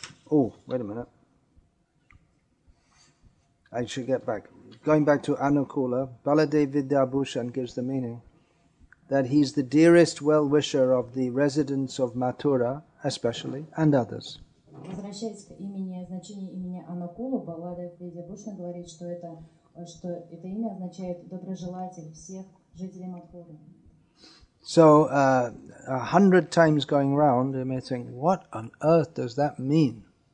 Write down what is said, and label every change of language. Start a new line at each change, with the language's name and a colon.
English: Oh, wait a minute. I should get back. Going back to Anukula, Baladev Vidyabhushan gives the meaning that he's the dearest well-wisher of the residents of Mathura, especially, and others.
Russian: Возвращаясь к имени, значению имени Анукула, Баллада Видьябхушана говорит, что это имя означает доброжелатель всех жителей Мадхуры.
English: So, 100 times going round, you may think, what on earth does that mean?